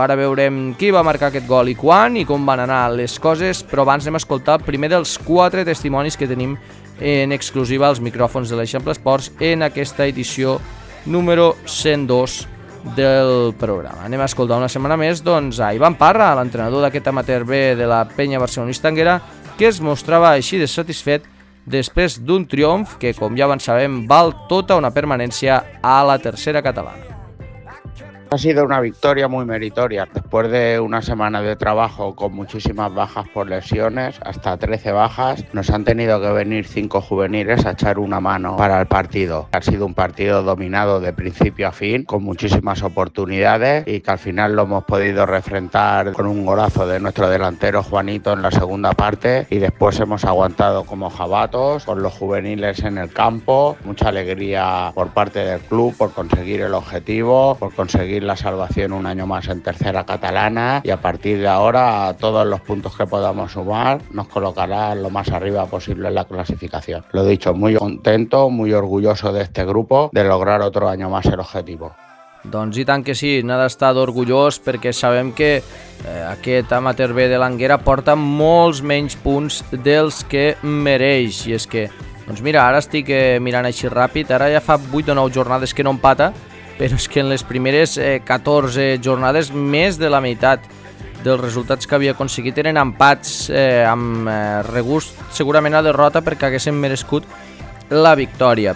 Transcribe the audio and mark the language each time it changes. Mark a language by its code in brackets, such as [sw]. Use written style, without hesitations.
[ca] Ara veurem qui va marcar aquest gol i quan i com van anar les coses, però abans anem a escoltar el primer dels 4 testimonis que tenim en exclusiva als micròfons de l'Eixample Esports en aquesta edició número 102 del programa. Anem a escoltar una setmana més, doncs, a Ivan Parra, l'entrenador d'aquest amateur B de la penya barcelonista Anguera, que es mostrava així de satisfet després d'un triomf que, com ja van sabem, val tota una permanència a la tercera catalana. [es] Ha sido una victoria muy meritoria. Después de una semana de trabajo con muchísimas bajas por lesiones, hasta 13 bajas, nos han tenido que venir 5 juveniles a echar una mano para el partido. Ha sido un partido dominado de principio a fin, con muchísimas oportunidades y que al final lo hemos podido refrendar con un golazo de nuestro delantero Juanito en la segunda parte y después hemos aguantado como jabatos con los juveniles en el campo. Mucha alegría por parte del club por conseguir el objetivo, por conseguir la salvación un año más en tercera catalana, y a partir de ahora todos los puntos que podamos sumar nos colocará lo más arriba posible en la clasificación. Lo dicho, muy contento, muy orgulloso de este grupo, de lograr otro año más el objetivo. [ca] Doncs i tant que sí, n'ha d'estar orgullós, perquè sabem que aquest amateur B de l'Anguera porta molts menys punts dels que mereix. I és que, doncs mira, ara estic mirant així ràpid, ara ja fa 8 o 9 jornades que no empata, però és que en les primeres 14 jornades més de la meitat dels resultats que havia aconseguit eren empats amb regust segurament a derrota, perquè haguessin merescut la victòria.